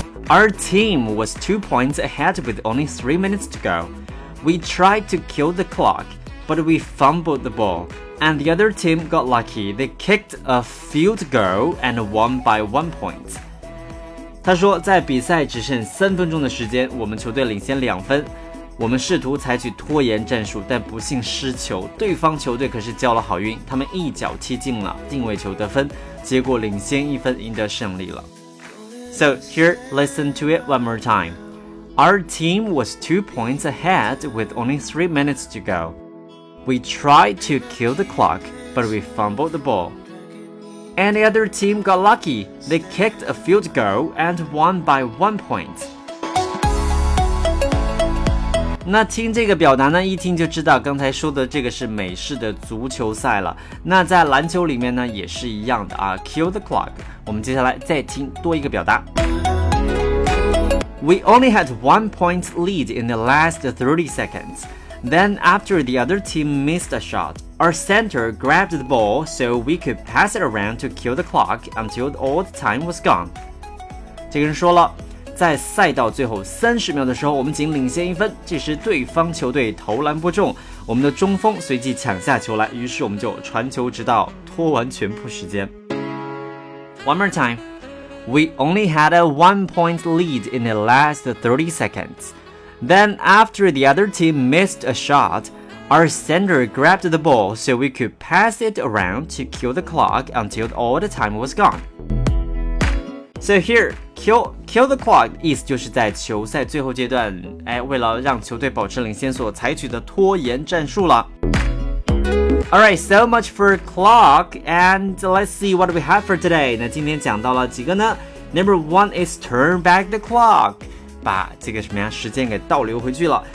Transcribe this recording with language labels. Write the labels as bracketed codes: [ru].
[en] Our team was 2 points ahead with only 3 minutes to go. We tried to kill the clock. But we fumbled the ball, and the other team got lucky. They kicked a field goal and won by 1 point. [zh] 他说，在比赛只剩3分钟的时间，我们球队领先2分。我们试图采取拖延战术，但不幸失球。对方球队可是交了好运，他们一脚踢进了定位球得分，结果领先1分，赢得胜利了。 [en] So here, listen to it one more time. Our team was 2 points ahead with only 3 minutes to go. We tried to kill the clock, but we fumbled the ball. And the other team got lucky. They kicked a field goal and won by 1 point. [zh] 那听这个表达呢，一听就知道刚才说的这个是美式的足球赛了。那在篮球里面呢，也是一样的啊。 [en] Kill the clock. [zh] 我们接下来再听多一个表达。 [en] We only had 1 point lead in the last 30 seconds. Then after the other team missed a shot, our center grabbed the ball so we could pass it around to kill the clock until all the time was gone. [zh] 这个人说了，在赛道最后30秒的时候，我们仅领先1分。这时对方球队投篮不中，我们的中锋随即抢下球来，于是我们就传球直到拖完全部时间。 [en] One more time, we only had a 1 point lead in the last 30 seconds. Then after the other team missed a shot, our center grabbed the ball so we could pass it around to kill the clock until all the time was gone. So here, kill the clock [zh] 意思就是在球赛最后阶段，哎，为了让球队保持领先所采取的拖延战术了。 [en] All right, so much for clock, and let's see what we have for today. [zh] 那今天讲到了几个呢？ [en] Number one is turn back the clock. [zh] 把这个什么呀时间给倒流回去了。